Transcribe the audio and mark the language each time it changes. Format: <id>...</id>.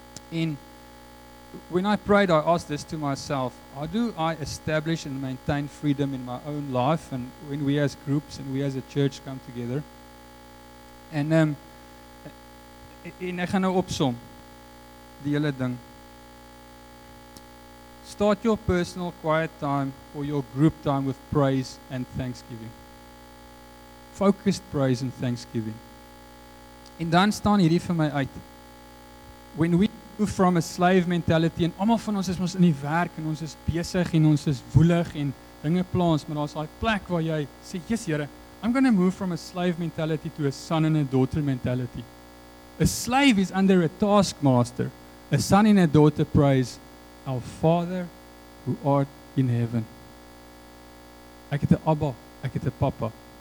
<en>And when I prayed, I asked this to myself, how do I establish and maintain freedom in my own life and when we as groups and we as a church come together? And</en> <af>ek gaan nou opsom die hele ding.</af> <en>Start your personal quiet time or your group time with praise and thanksgiving. Focused praise and thanksgiving.</en> <af>En dan staan hierdie vir my uit.</af> <en>When we move from a slave mentality,</en> <af>en almal van ons is mos in die werk en ons is besig en ons is woelig en dinge plans, maar daar's daai plek waar jy sê,</af> <en>"Jesus Here, I'm going to move from a slave mentality to a son and a daughter mentality." A slave is under a taskmaster. A son and a daughter praise our Father who art in heaven.</en> <af>Ek het 'n Abba, ek het 'n Papa.</af>